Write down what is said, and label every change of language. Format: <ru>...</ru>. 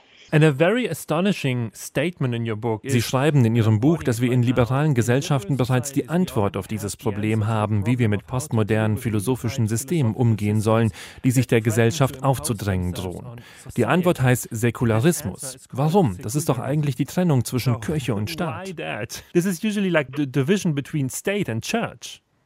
<en>And a very astonishing statement in your book.</en> <de>Sie schreiben in Ihrem Buch, dass wir in liberalen Gesellschaften bereits die Antwort auf dieses Problem haben, wie wir mit postmodernen philosophischen Systemen umgehen sollen, die sich der Gesellschaft aufzudrängen drohen. Die Antwort heißt Säkularismus. Warum? Das ist doch eigentlich die Trennung zwischen Kirche und Staat.</de> <en>This is usually like the division between state and church.</en>